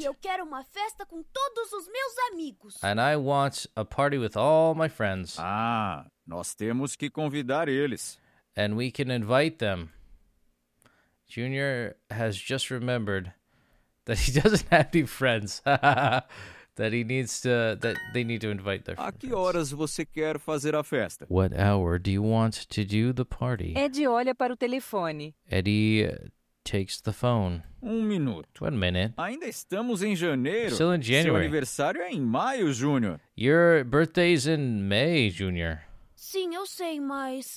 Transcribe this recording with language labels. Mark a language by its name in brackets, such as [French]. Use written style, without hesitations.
[Portuguese] E eu quero uma festa com todos os meus amigos. [English] And I want a party with all my friends. [Portuguese] Ah, nós temos que convidar eles. [English] And we can invite them. Junior has just remembered that he doesn't have any friends. That he needs to, that they need to invite their friends. [Portuguese] A que horas você quer fazer a festa? [English] What hour do you want to do the party? [Portuguese] Eddie olha para o telefone. [English] Eddie takes the phone. [Portuguese] Minuto. [English] 1 minute. [Portuguese] Ainda estamos em janeiro. [English] Still in January. [Portuguese] Seu aniversário é em maio, Junior. [English] Your birthday is in May, Junior. [Portuguese] Sim, eu sei, mas...